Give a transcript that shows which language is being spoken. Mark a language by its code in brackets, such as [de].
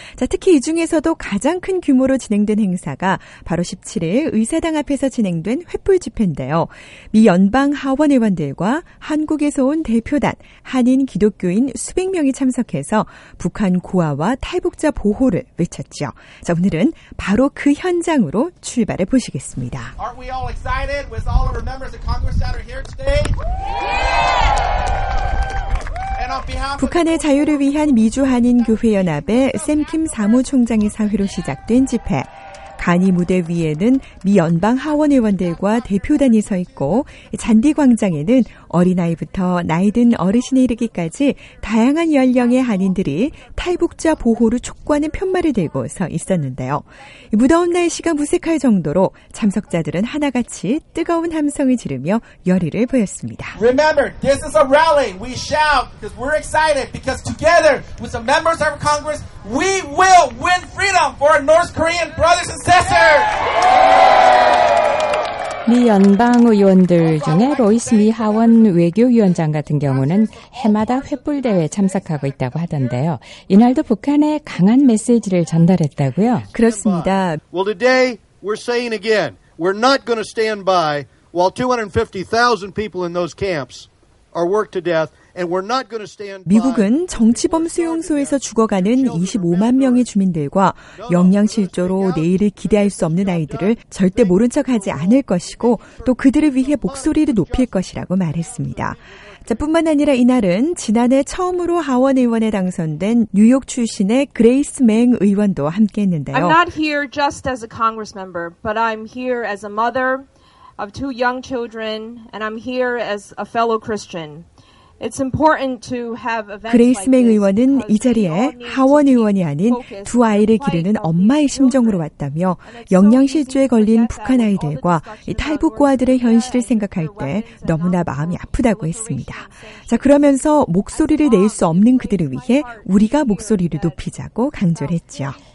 [ko] 자, 특히 이 중에서도 가장 큰 규모로 진행된 행사가 바로 17일 의사당 앞에서 진행된 횃불 집회인데요. 미 연방 하원 의원들과 한국에서 온 대표단 한인 기독교인 수백 명이 참석해서 북한 고아와 탈북자 보호를 외쳤죠. 자, 오늘은 바로 그 현장으로 출발해 보시겠습니다. [en] Aren't we all excited with all of our members of Congress that are here today? Yeah! [ko] 북한의 자유를 위한 미주한인교회연합의 샘킴 사무총장의 사회로 시작된 집회. 간이 무대 위에는 미 연방 하원 의원들과 대표단이 서 있고 잔디 광장에는 어린아이부터 나이 든 어르신에 이르기까지 다양한 연령의 한인들이 탈북자 보호를 촉구하는 편말을 들고 서 있었는데요. 무더운 날씨가 무색할 정도로 참석자들은 하나같이 뜨거운 함성을 지르며 열의를 보였습니다. [en] Remember, this is a rally. We shout because we're excited because together with the members of Congress, we will win freedom for our North Korean brothers and sisters. [ko] 미 연방 의원들 중에 로이스 미 하원 외교위원장 같은 경우는 해마다 횃불대회에 참석하고 있다고 하던데요. 이날도 북한에 강한 메시지를 전달했다고요? 그렇습니다. [en] Well, today we're saying again, we're not going to stand by while 250,000 people in those camps are worked to death. [ko] 미국은 정치범 수용소에서 죽어가는 25만 명의 주민들과 영양실조로 내일을 기대할 수 없는 아이들을 절대 모른 척하지 않을 것이고 또 그들을 위해 목소리를 높일 것이라고 말했습니다. 자, 뿐만 아니라 이날은 지난해 처음으로 하원의원에 당선된 뉴욕 출신의 그레이스 맹 의원도 함께했는데요. [en] I'm not here just as a Congress member, but I'm here as a mother of two young children, and I'm here as a fellow Christian. It's important to have events [ko] 그레이스 맹 의원은 이 자리에 하원 의원이 아닌 두 아이를 기르는 엄마의 심정으로 왔다며 영양실조에 걸린 북한 아이들과 탈북고아들의 현실을 생각할 때 너무나 마음이 아프다고 했습니다. 자, 그러면서 목소리를 낼 수 없는 그들을 위해 우리가 목소리를 높이자고 강조를 했죠.